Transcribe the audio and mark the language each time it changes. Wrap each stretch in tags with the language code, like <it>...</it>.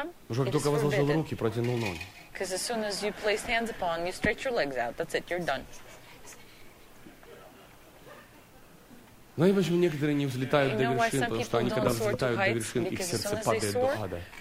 <ru>Уже как только возложил руки, протянул ноги.</ru> <en>Because as soon as you place hands upon, you stretch your legs out. That's it, you're done.</en> <ru>Знаете, почему некоторые не взлетают до вершин? Потому что они, когда взлетают до вершин, их сердце падает до ада.</ru>